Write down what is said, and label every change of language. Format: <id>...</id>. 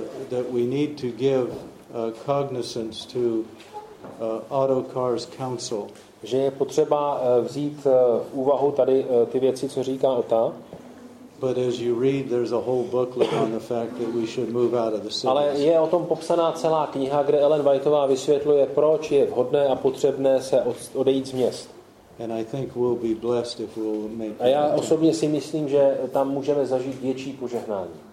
<en>that we need to give cognizance to Autocar's counsel.</en> <cs>Že je potřeba vzít v úvahu tady ty věci, co říká Ota.</cs> <en>But as you read, there's a whole booklet on the fact that we should move out of the cities.</en> <cs>Ale je o tom popsaná celá kniha, kde Ellen Whiteová vysvětluje, proč je vhodné a potřebné se odejít z měst.</cs> <en>And I think we'll be blessed if we'll make.</en> <cs>A já osobně si myslím, že tam můžeme zažít větší požehnání.</cs>